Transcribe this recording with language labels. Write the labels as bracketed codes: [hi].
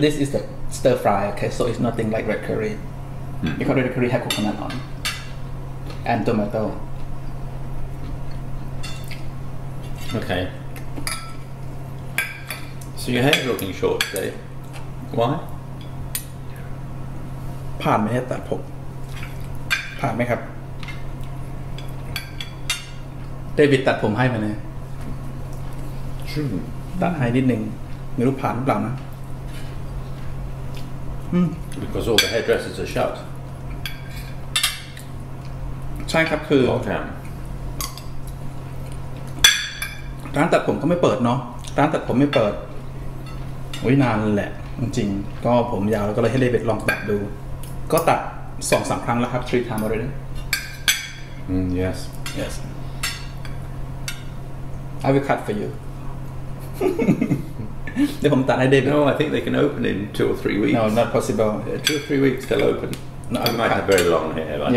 [en] This is the stir fry, okay? So it's nothing like red curry. Mm-hmm. Because red curry has coconut on. And tomato. Okay. So your hair's looking short today. Why? [th] ผ่านไหมตัดผมผ่านไหมครับเดวิดตัดผมให้มาเลย ชื่อตัดให้นิดนึงไม่รู้ผ่านหรือเปล่านะ [en] Because all the hairdressers are shut. [th] ใช่ครับคือ ร้านตัดผมก็ไม่เปิดเนาะร้านตัดผมไม่เปิดโอ้ยนานแหละจริงๆก็ผมยาวแล้วก็เลยให้เดวิดลองตัดดูก็ตัด 2-3 ครั้งแล้วครับ 3 time already [en] yes yes I will cut for you เดี๋ยวผมตัดให้เดวิด no I think they can open in 2 or 3 weeks no not possible 2 or 3 weeks they'll open no, I might have very long hair like